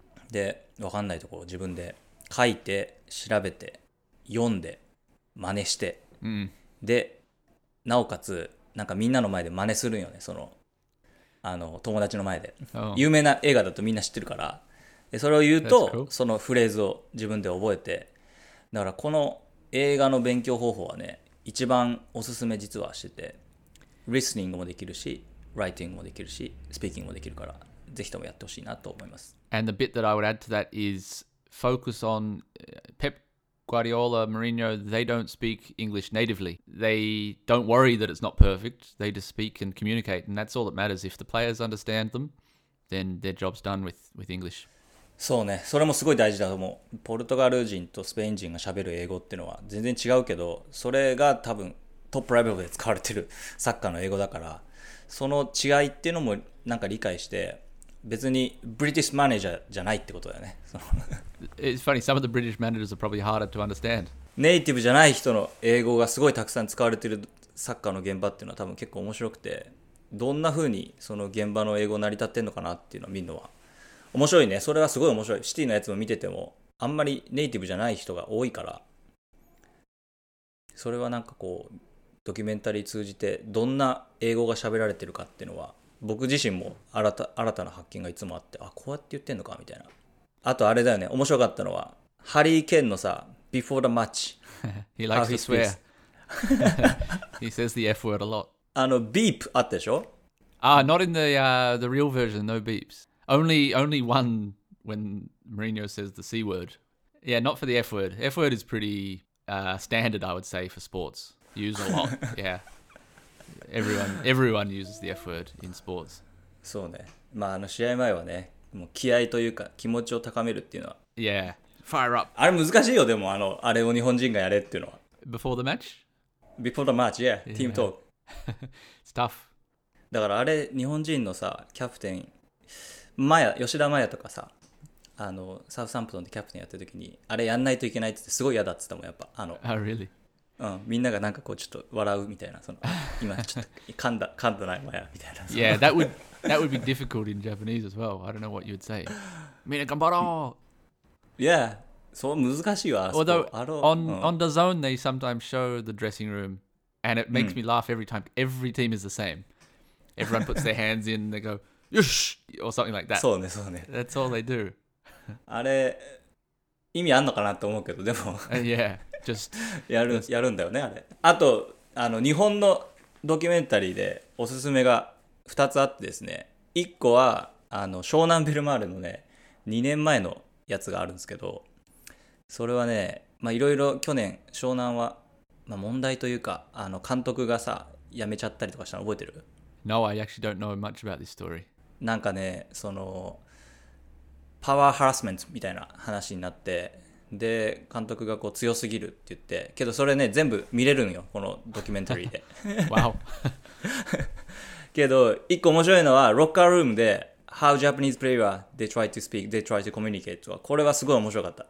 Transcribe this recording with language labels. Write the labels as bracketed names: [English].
[Japanese] で分かんないところを自分で書いて調べて読んで真似して、でなおかつなんかみんなの前で真似するんよね、そのあの友達の前で、有名な映画だとみんな知ってるから、でそれを言うと、そのフレーズを自分で覚えて、だからこの映画の勉強方法はね、一番おすすめ実はしてて、リスニングもできるし、ライティングもできるし、スピーキングもできるから、ぜひともやってほしいなと思います。 [English] And the bit that I would add to that is focus on Pep Guardiola, Mourinho, they don't speak English natively. They don't worry that it's not perfect, they just speak and communicate, and that's all that matters. If the players understand them, then their job's done with English. [Japanese] そうね、それもすごい大事だと思う。ポルトガル人とスペイン人が喋る英語っていうのは全然違うけど、それが多分トップレベルで使われてるサッカーの英語だから、その違いっていうのもなんか理解して、別にブリティッシュマネージャーじゃないってことだよね。 [English] It's funny, some of the British managers are probably harder to understand. [Japanese] ネイティブじゃない人の英語がすごいたくさん使われてるサッカーの現場っていうのは多分結構面白くて、どんな風にその現場の英語成り立ってんのかなっていうのを見るのは面白いね。それはすごい面白い。シティのやつも見てても、あんまりネイティブじゃない人が多いから、それはなんかこう、ドキュメンタリー通じて、どんな英語が喋られてるかっていうのは、僕自身も新たな発見がいつもあって、あ、こうやって言ってんのかみたいな。あとあれだよね、面白かったのは、ハリー・ケンのさ、 [English] Before the match。 He likes to swear. He says the F word a lot. [Japanese] あの、beep あったでしょ？ [English] Ah, not in the real version, no beeps. Only one when Mourinho says the C word. Yeah, not for the F word. F word is pretty standard, I would say, for sports. Use a lot. Yeah. Everyone uses the F word in sports. [Japanese] そうね。まあ、あの試合前はね、もう気合というか気持ちを高めるっていうのは。 [English] Yeah, fire up. [Japanese] あれ難しいよ、でも、あの、あれを日本人がやれっていうのは。 [English] Before the match? Before the match, yeah. Team talk. It's tough. [Japanese] だからあれ、日本人のさ、キャプテン、吉田麻也とかさ、あの、サウサンプトンでキャプテンやってるときに、あれやんないといけないってすごい嫌だって言ったもん、やっぱ。あの、 [English] oh, really? [Japanese] うん、みんながなんかこうちょっと笑うみたいな、その今ちょっと噛んだないまやみたいな。 [English] Yeah, that would be difficult in Japanese as well. I don't know what you would say. [Japanese] みんな頑張ろう。 Yeah, そう難しいわ。 [English] Although on the zone they sometimes show the dressing room, and it makes、うん、me laugh every time. Every team is the same. Everyone puts their hands in, they go よし or something like that. [Japanese] そうねそうね。 [English] That's all they do. [Japanese] あれ意味あんのかなと思うけどでも。 [English] Yeah. Just, [Japanese] やるんだよねあれ。あとあの日本のドキュメンタリーでおすすめが2つあってですね、1個はあの湘南ベルマーレのね2年前のやつがあるんですけど、それはねいろいろ去年湘南は、まあ、問題というかあの監督がさ辞めちゃったりとかしたの覚えてる？ [English] No, I actually don't know much about this story. [Japanese] なんかねそのパワーハラスメントみたいな話になって、で監督がこう強すぎるって言って、けどそれね全部見れるんよこのドキュメンタリーで。わお。けど一個面白いのはロッカールームで [English] How Japanese player they try to speak, they try to communicate [Japanese] は、これはすごい面白かった。